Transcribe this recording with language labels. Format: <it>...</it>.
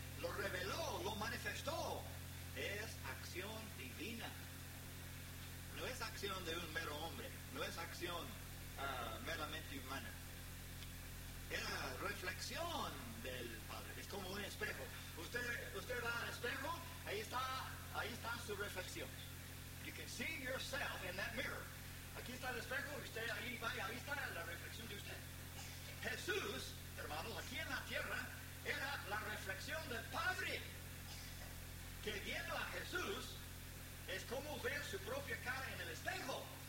<es>Lo reveló, lo manifestó. Es acción divina. No es acción de un mero hombre. No es acción meramente humana. Era reflexión del Padre. Es como un espejo. Usted va al espejo, ahí está su reflexión.</es> <en>You can see yourself in that mirror.</en> <es>Aquí está el espejo, usted ahí va, y ahí está la reflexión de usted. Jesús, hermanos, aquí en la tierra, era la reflexión del Padre. Que viendo a Jesús es como ver su propia cara en el espejo.</es>